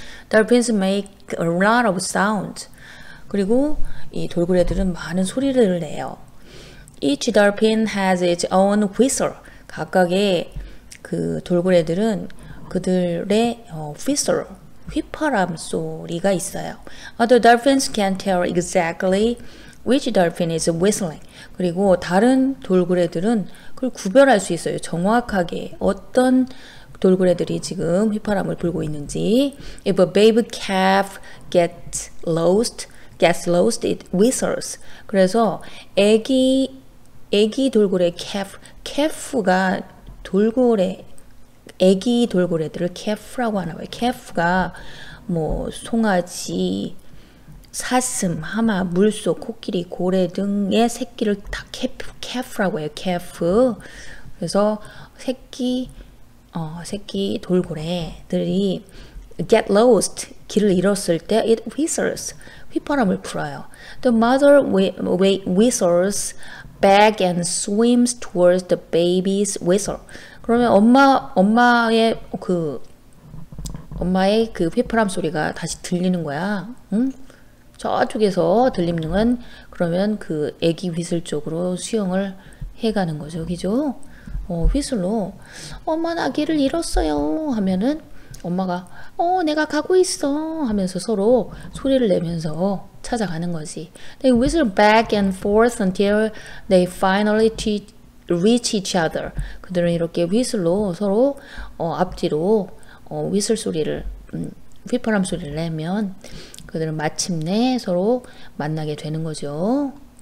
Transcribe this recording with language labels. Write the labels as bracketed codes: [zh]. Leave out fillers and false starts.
[en] Dolphins make a lot of sounds. [ko] 그리고 이 돌고래들은 많은 소리를 내요. [en] Each dolphin has its own whistle. 각각의 그 돌고래들은 [ko] 그들의 휘슬, 휘파람 소리가 있어요. [en] Other dolphins can't tell exactly which dolphin is whistling. [ko] 그리고 다른 돌고래들은 그걸 구별할 수 있어요. 정확하게 어떤 돌고래들이 지금 휘파람을 불고 있는지. [en] If a baby calf gets lost, it whistles. [ko] 그래서 아기 돌고래 calf가 돌고래 아기 돌고래들을 calf라고 하나 봐요. calf가 뭐 송아지, 사슴, 하마, 물소, 코끼리, 고래 등의 새끼를 다 calf라고 해요. calf. 그래서 새끼 돌고래들이 get lost, 길을 잃었을 때 it whistles, 휘파람을 불어요. [en] The mother whistles back and swims towards the baby's whistle. [ko] 그러면 엄마의 그 휘파람 소리가 다시 들리는 거야. 응? 저쪽에서 들리는 건 그러면 그 아기 휘슬 쪽으로 수영을 해가는 거죠. 그죠? 휘슬로 엄마 나 아기를 잃었어요 하면은 엄마가 내가 가고 있어 하면서 서로 소리를 내면서 찾아가는 거지. [en] They whistle back and forth until they finally reach each other. [ko] 그들은 이렇게 휘슬로 서로 앞뒤로 휘슬 소리를 휘파람 소리를 내면 그들은 마침내 서로 만나게 되는 거죠.